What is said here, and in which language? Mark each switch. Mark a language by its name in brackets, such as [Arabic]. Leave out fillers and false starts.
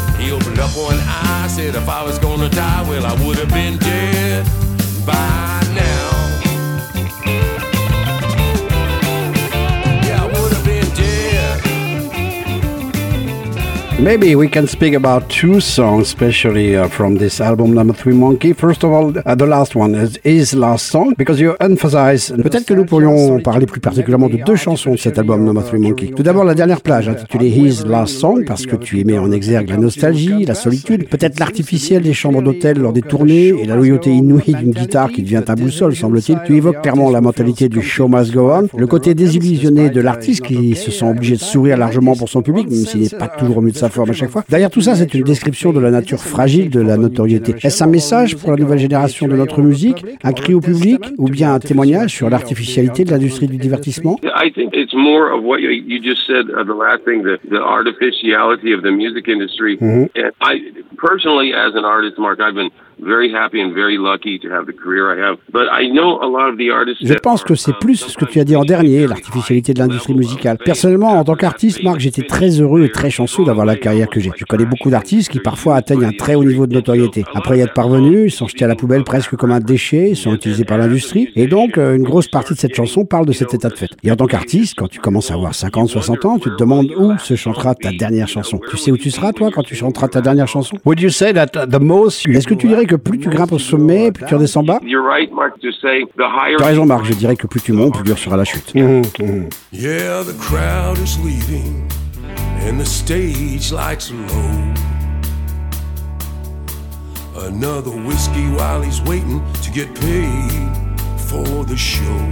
[English] He opened up one eye, said if I was gonna die, well I would have been dead by now. Yeah, I would have been dead. Maybe we can speak about two songs, especially from this album, Number Three Monkey. First of all, the last one is his last song, because you emphasize. [French] Peut-être que nous pourrions parler plus particulièrement de deux chansons de cet album, Number Three Monkey. Tout d'abord, La Dernière Plage, intitulée His Last Song, parce que tu y mets en exergue la nostalgie, la solitude, peut-être l'artificiel des chambres d'hôtel lors des tournées et la loyauté inouïe d'une guitare qui devient ta boussole, semble-t-il. Tu évoques clairement la mentalité du [English] show must go on, [French] le côté désillusionné de l'artiste qui se sent obligé de sourire largement pour son public, même s'il n'est pas toujours au mieux de sa forme à chaque fois. Derrière tout ça, c'est une description de la nature fragile de la notoriété. Est-ce un message pour la nouvelle génération de notre musique, un cri au public, ou bien un témoignage sur l'artificialité de l'industrie du divertissement? [English] I think it's more of what you just said, the last thing, the artificiality of the music industry. And I personally, as an artist, Mark, I've been very happy and very lucky to have the career I have. But I know a lot of the artists. [French] Je pense que c'est plus ce que tu as dit en dernier, l'artificialité de l'industrie musicale. Personnellement, en tant qu'artiste, Marc, j'étais très heureux et très chanceux d'avoir la carrière que j'ai. Je connais beaucoup d'artistes qui parfois atteignent un très haut niveau de notoriété. Après y être parvenus, ils sont jetés à la poubelle presque comme un déchet, ils sont utilisés par l'industrie. Et donc, une grosse partie de cette chanson parle de cet état de fait. Et en tant qu'artiste, quand tu commences à avoir 50, 60 ans, tu te demandes où se chantera ta dernière chanson. Tu sais où tu seras, toi, quand tu chanteras ta dernière chanson? [English] Would you say that the most? [French] Est-ce que tu dirais que plus tu grimpes au sommet, plus tu redescends bas? Tu as raison, Marc, je dirais que plus tu montes, plus dur sera la chute. [English] Yeah, the crowd is leaving and the stage lights are low. Another whiskey while he's waiting to get paid for the show.